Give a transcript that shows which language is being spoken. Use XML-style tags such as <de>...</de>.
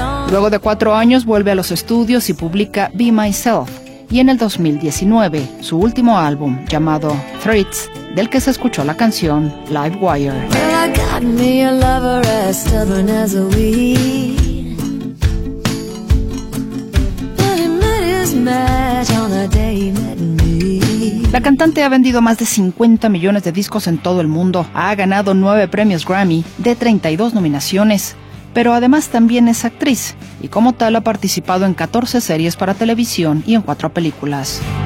<es>Luego de 4 años, vuelve a los estudios y publica Be Myself. Y en el 2019, su último álbum, llamado Threats, del que se escuchó la canción Live Wire.</es> <en>Well, I got me a lover as stubborn as a weed. But he met his match on the day he met me.</en> <es>La cantante ha vendido más de 50 millones de discos en todo el mundo. Ha ganado 9 premios Grammy de 32 nominaciones. Pero además también es actriz, y como tal ha participado en 14 series para televisión y en 4 películas.</es>